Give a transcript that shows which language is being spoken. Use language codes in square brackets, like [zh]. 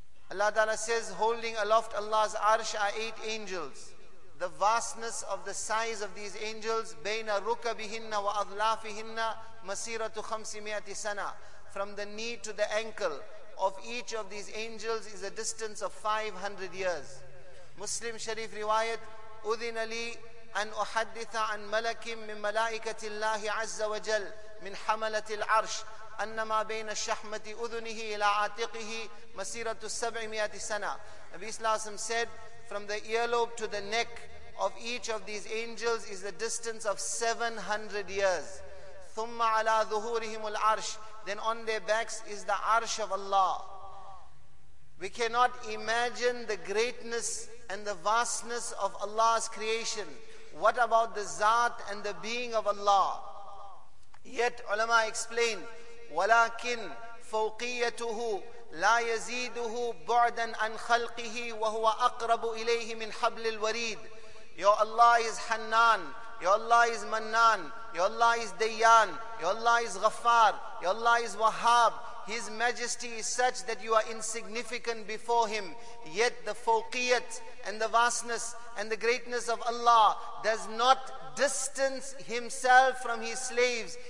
[en] Allah Ta'ala says, holding aloft Allah's arsh are eight angels. The vastness of the size of these angels, [ar] بَيْنَ رُكَبِهِنَّ وَأَظْلَافِهِنَّ مَسِيرَةُ خَمْسِ مِئَةِ سَنَةٍ. [en] From the knee to the ankle of each of these angels is a distance of 500 years. [ar] Muslim Sharif riwayat, أُذِنَ لِي أَنْ أُحَدِّثَ عَنْ مَلَكٍ مِّن مَلَائِكَةِ اللَّهِ عَزَّ وَجَلْ مِنْ حَمَلَةِ الْعَرْشِ أَنَّمَا بَيْنَ الشَّحْمَةِ أُذُنِهِ إِلَىٰ عَاتِقِهِ مَسِيرَةُ السَّبْعِ مِئَةِ سَنَةٍ. [en] Nabi Sallallahu Alaihi Wasallam said, from the earlobe to the neck of each of these angels is the distance of 700 years. [ar] ثُمَّ عَلَىٰ ذُهُورِهِمُ الْعَرْشِ. [en] Then on their backs is the arsh of Allah. We cannot imagine the greatness and the vastness of Allah's creation. What about the zat and the being of Allah? Yet ulama explained, [ar] وَلَكِنْ فَوْقِيَّتُهُ لَا يَزِيدُهُ بُعْدًا عَنْ خَلْقِهِ وَهُوَ أَقْرَبُ إِلَيْهِ مِنْ حَبْلِ الْوَرِيدِ. [en] Your Allah is Hannan, your Allah is Mannan, your Allah is Dayyan, your Allah is Ghaffar, your Allah is Wahhab. His majesty is such that you are insignificant before him. Yet the fawqiyat and the vastness and the greatness of Allah does not distance himself from his slaves.